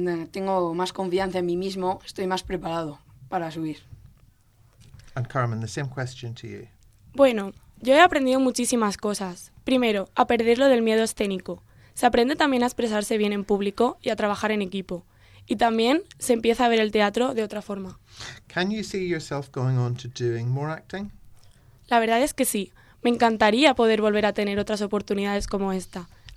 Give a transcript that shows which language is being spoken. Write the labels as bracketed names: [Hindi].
[Spanish] Tengo más confianza en mí mismo, estoy más preparado para subir. [English] And Carmen, the same question to you. [Spanish] Bueno, yo he aprendido muchísimas cosas. Primero, a perder lo del miedo escénico. Se aprende también a expresarse bien en público y a trabajar en equipo. Y también se empieza a ver el teatro de otra forma. [English] Can you see yourself going on to doing more acting? [Spanish] La verdad es que sí. Me encantaría poder volver a tener otras oportunidades como esta.